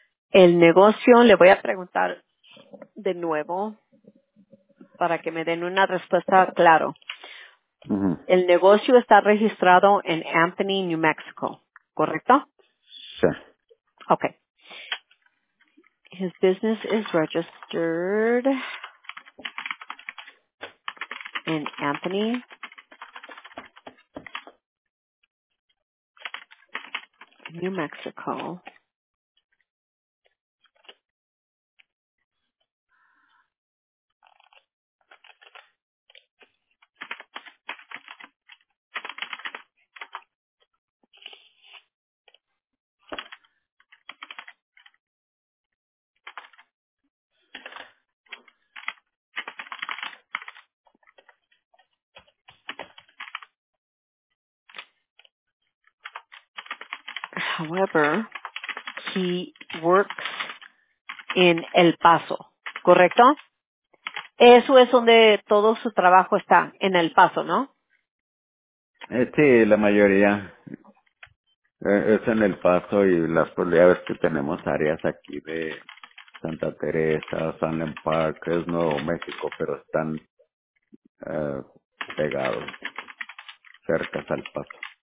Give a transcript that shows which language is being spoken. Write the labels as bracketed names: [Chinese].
[Spanish] el negocio, le voy a preguntar de nuevo para que me den una respuesta clara. Uh-huh. El negocio está registrado en Anthony, New Mexico, ¿correcto? Sí. Okay. [English] His business is registered in Anthony. New Mexico. However, he works in El Paso, [Spanish] ¿correcto? Eso es donde todo su trabajo está, en El Paso, ¿no? Sí, la mayoría es en El Paso y las posibilidades que tenemos áreas aquí de Santa Teresa, San Len Park, es Nuevo México, pero están pegados, cerca de El Paso.